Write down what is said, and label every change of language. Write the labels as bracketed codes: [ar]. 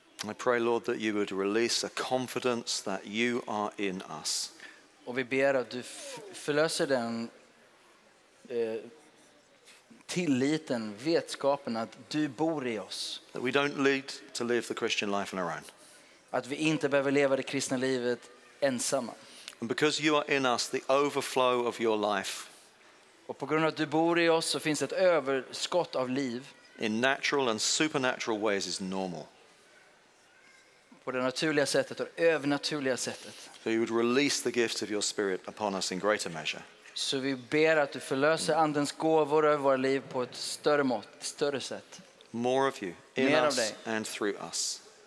[en] I pray, Lord, that you would release a confidence that you are in us. [sv] Och vi ber att du förlöser den tilliten, vetskapen att du bor I oss. [en] That we don't need to live the Christian life on our own. [sv] Att vi inte behöver leva det kristna livet ensamma. [en] And because you are in us, the overflow of your life. [sv] Och på grund av att du bor I oss, så finns ett överskott av liv. [en] In natural and supernatural ways is normal. [sv] på det naturliga sättet och övernaturliga sättet. [en] So you would release the gifts of your spirit upon us in greater measure. [sv] Så vi ber att du förlöser andens gåvor över våra liv på ett större mått, ett större sätt. [en] More of you in us and through us.